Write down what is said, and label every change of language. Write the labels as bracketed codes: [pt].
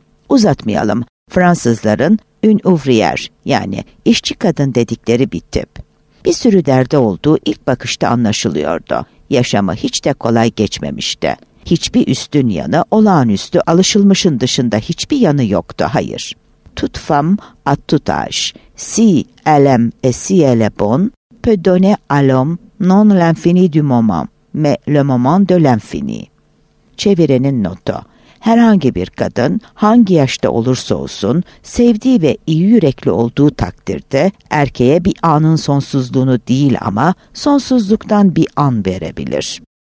[tr] Uzatmayalım, Fransızların [fr] une ouvrière [tr] yani işçi kadın dedikleri bir tip. Bir sürü derdi olduğu ilk bakışta anlaşılıyordu. Yaşamı hiç de kolay geçmemişti. Hiçbir üstün yanı, olağanüstü, alışılmışın dışında hiçbir yanı yoktu, hayır. [fr] Tout femme a tout âge, si elle aime et si elle est bonne, peut donner à l'homme non l'infini du moment, mais le moment de l'infini. [tr] Çevirenin notu. Herhangi bir kadın, hangi yaşta olursa olsun, sevdiği ve iyi yürekli olduğu takdirde erkeğe bir anın sonsuzluğunu değil ama sonsuzluktan bir an verebilir.